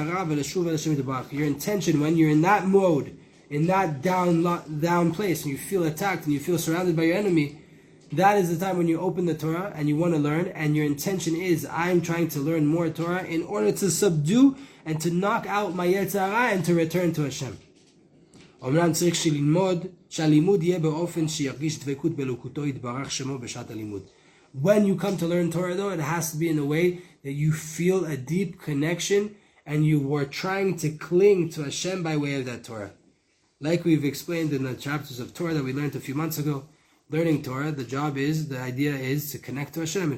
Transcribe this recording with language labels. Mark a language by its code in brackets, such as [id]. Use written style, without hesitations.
[en] Your intention when you're in that mode, in that down place, and you feel attacked and you feel surrounded by your enemy, that is the time when you open the Torah and you want to learn, and your intention is, I'm trying to learn more Torah in order to subdue and to knock out my Yetzara and to return to Hashem. [he] אמנם צריך שלימוד, שהלימוד יהיה באופן שירגיש דבקות בלוקותו יתברך שמו בשעת הלימוד. [en] When you come to learn Torah, though, it has to be in a way that you feel a deep connection and you were trying to cling to Hashem by way of that Torah. Like we've explained in the chapters of Torah that we learned a few months ago, learning Torah, the job is, the idea is to connect to Hashem.